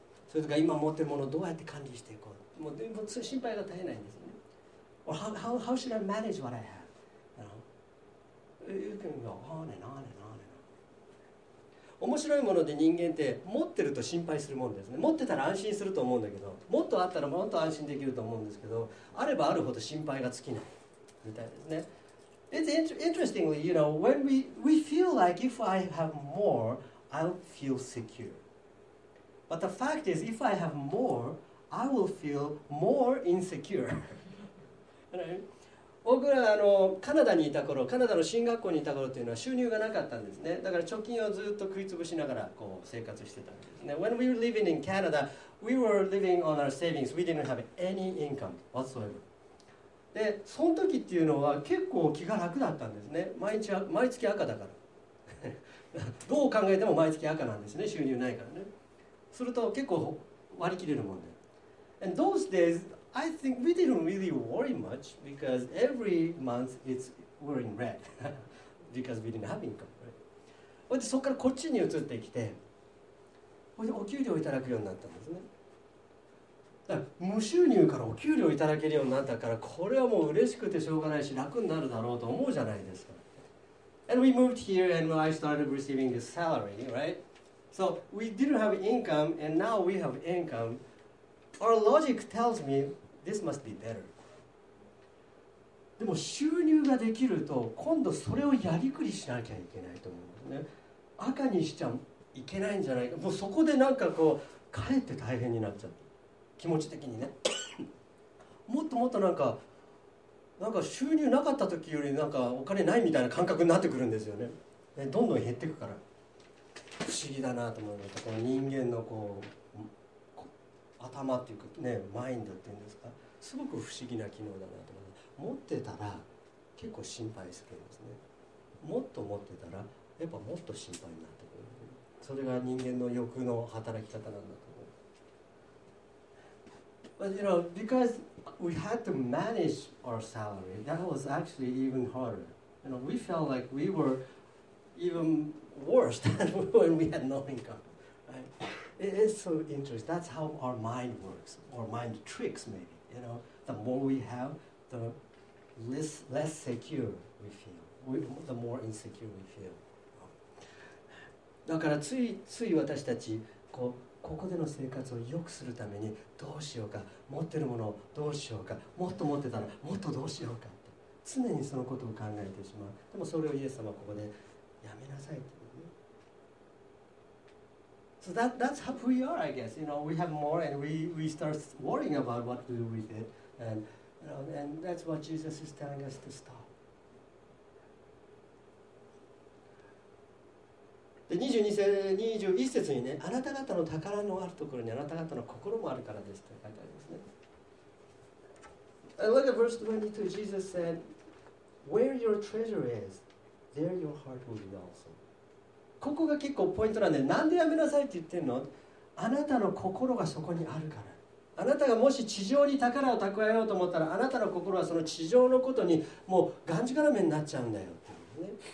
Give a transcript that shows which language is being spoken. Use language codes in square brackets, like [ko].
[ja] それとか今持ってるものをどうやって管理していこう。もう心配が絶えないんですよね。 [en] Or how should I manage what I have? You can go on and on and on and on. [ja] 面白いもので人間って持ってると心配するもんですね。持ってたら安心すると思うんだけど、もっとあったらもっと安心できると思うんですけど、あればあるほど心配が尽きないみたいですね。 [en] It's interestingly, you know, when we feel like if I have more, I'll feel secure. But the fact is, if I have more, I will feel more insecure. Right? [ja] 僕らカナダにいた頃、カナダの進学校にいた頃というのは収入がなかったんですね。だから貯金をずっと食いつぶしながらこう生活してたんですね。 [en] When we were living in Canada, we were living on our savings. We didn't have any income whatsoever. [ja] で、その時っていうのは結構気が楽だったんですね。毎月赤だから。どう考えても毎月赤なんですね。収入ないからね。すると結構割り切れるもんで。 [en] And those days,I think we didn't really worry much because every month we're in red because we didn't have income, right? [ja] そっからこっちに移ってきて、お給料をいただくようになったんですね。だから無収入からお給料をいただけるようになったから、これはもう嬉しくてしょうがないし、楽になるだろうと思うじゃないですか。 [en] And we moved here and I started receiving this salary, right? So we didn't have income and now we have income. Our logic tells me this must be better. [ja] でも収入ができると今度それをやりくりしなきゃいけないと思うんですね。赤にしちゃいけないんじゃないか。もうそこでなんかこうかえって大変になっちゃう。気持ち的にね。もっともっとなんか収入なかった時よりなんかお金ないみたいな感覚になってくるんですよね。ね、どんどん減っていくから不思議だなと思うんです。この人間のこう。頭っていうかね、マインドっていうんですか、すごく不思議な機能だなと思って、持ってたら結構心配するんですね。もっと持ってたらやっぱもっと心配になってくる。それが人間の欲の働き方なんだと思う。 [en] But you know, because we had to manage our salary, that was actually even harder. You know, we felt like we were even worse than when we had no income, right? It is so interesting. That's how our mind works, or mind tricks maybe. You know, the more we have, the less secure we feel. The more insecure we feel. [ja] だからついつい私たちこうここでの生活を良くするためにどうしようか、持ってるものをどうしようか、もっと持ってたらもっとどうしようかって常にそのことを考えてしまう。でもそれをイエス様はここでやめなさいって言うね。 [en] So that's how we are, I guess. You know, we have more and we start worrying about what to do with it. And, you know, and that's what Jesus is telling us to stop. [ja] で 21節にね、あなた方の宝のあるところにあなた方の心もあるからですと書いてありますね。 [en] Look at verse 22. Jesus said, "Where your treasure is, there your heart will be also." [ja] ここが結構ポイントなんで、なんでやめなさいって言ってんの？あなたの心がそこにあるから。あなたがもし地上に宝を蓄えようと思ったら、あなたの心はその地上のことにもうがんじがらめになっちゃうんだよってね。